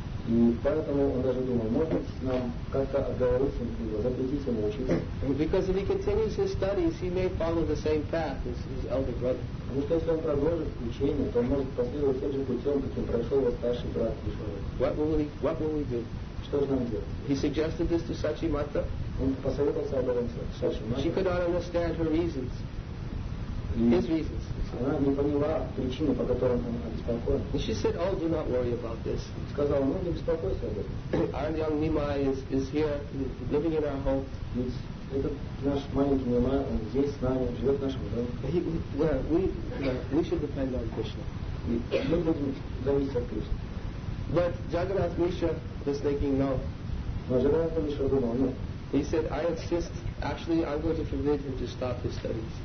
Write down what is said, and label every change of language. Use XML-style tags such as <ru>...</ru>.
<en>Because if he continues his studies, he may follow the same path as his elder brother.</en> <ru>Потому что если он продолжит учение, то он может последовать тем же путем, каким прошел его старший брат</ru> <en>Вишварупа. What will we do?</en> <ru>Что же нам делать?</ru> <en>He suggested this to Сачимата.</en> <ru>Он посоветовался об этом Сачимата.</ru> <en>She could not understand her reasons. His reasons.</en> <ru>Она не поняла причины, по которым он обеспокоен.</ru> <en>And she said, oh, do not worry about this.</en> <ru>Сказал, ну, не беспокойся об этом.</ru> <en>Our young Nimai is here, living in our home.</en> <ru>Ведь этот наш маленький Нимай, он здесь с нами, живет в нашем доме.</ru> <en>We should depend on Krishna.</en> <ru>Мы будем зависеть от Кришны.</ru> <en>But Jagannath Mishra was thinking, no.</en> <ru>Но Jagannath Mishra думал, нет.</ru> <en>He said, I insist, actually I'm going to forbid him to stop his studies.</en>